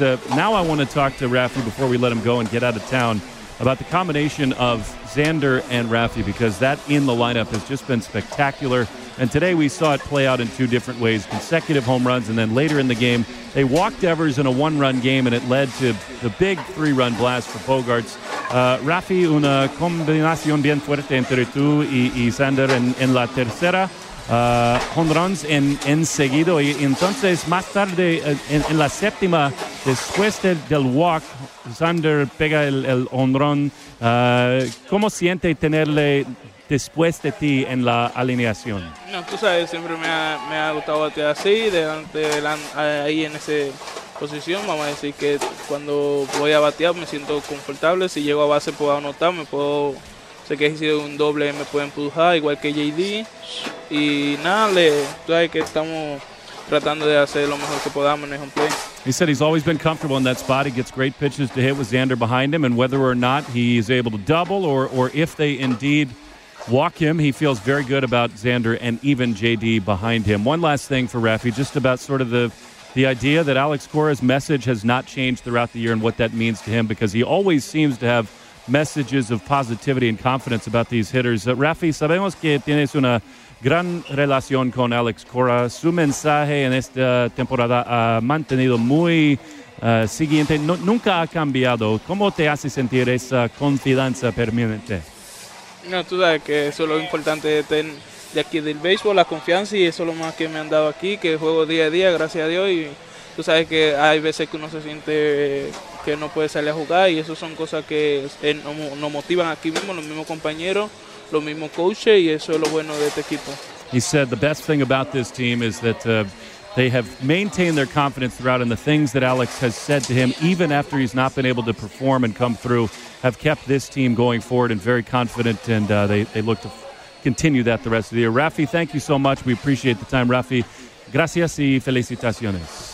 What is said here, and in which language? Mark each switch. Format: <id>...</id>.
<en>Now I want to talk to Rafi before we let him go and get out of town about the combination of Xander and Rafi, because that in the lineup has just been spectacular. And today we saw it play out in two different ways, consecutive home runs, and then later in the game, they walked Devers in a one-run game, and it led to the big three-run blast for Bogarts.</en> <es>Rafi, una combinación bien fuerte entre tú y Xander en la tercera. Home runs en seguido. Y entonces, más tarde, en la séptima, después del walk, Xander pega el home run. ¿Cómo siente tenerle después de ti en la alineación? No, tú sabes, siempre me ha gustado batear así, ahí en esa posición. Vamos a decir que cuando voy a batear me siento confortable. Si llego a base puedo anotar, sé que ha sido un doble, me puedo empujar, igual que JD. Y nada, tú sabes que estamos tratando de hacer lo mejor que podamos en el home plate.</es> <en>He said he's always been comfortable in that spot. He gets great pitches to hit with Xander behind him, and whether or not he is able to double or if they indeed walk him, he feels very good about Xander and even JD behind him. One last thing for Rafi, just about sort of the idea that Alex Cora's message has not changed throughout the year and what that means to him, because he always seems to have messages of positivity and confidence about these hitters.</en> <es>Rafi, sabemos que tienes una gran relación con Alex Cora. Su mensaje en esta temporada ha mantenido muy siguiente. No, nunca ha cambiado. ¿Cómo te hace sentir esa confianza permanente? No, tú sabes que eso es lo importante de tener de aquí del béisbol, la confianza, y eso es lo más que me han dado aquí, que juego día a día, gracias a Dios. Y tú sabes que hay veces que uno se siente que no puede salir a jugar, y eso son cosas que nos motivan aquí mismo, los mismos compañeros, los mismos coaches, y eso es lo bueno de este equipo.</es> <en>He said the best thing about this team is that they have maintained their confidence throughout, and the things that Alex has said to him, even after he's not been able to perform and come through, have kept this team going forward and very confident, and they look to continue that the rest of the year. Rafi, thank you so much. We appreciate the time.</en> <es>Rafi, gracias y felicitaciones.</es>